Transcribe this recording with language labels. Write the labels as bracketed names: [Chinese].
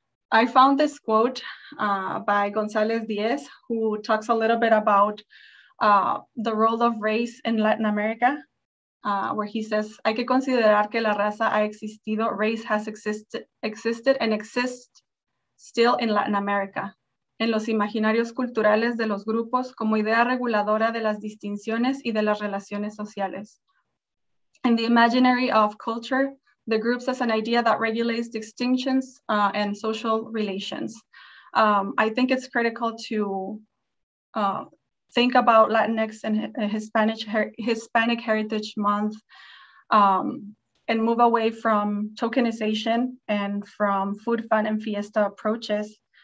[English] I found this quote by Gonzalez Diaz, who talks a little bit about the role of race in Latin America, where he says, [Spanish] hay que considerar que la raza ha existido, [English] race has existed and exists still in Latin America. [Spanish] En los imaginarios culturales de los grupos como idea reguladora de las distinciones y de las relaciones sociales. [English] In the imaginary of culture, the groups as an idea that regulates distinctions and social relations. I think it's critical to think about Latinx and Hispanic Heritage Month and move away from tokenization and from food, fun, and fiesta approaches.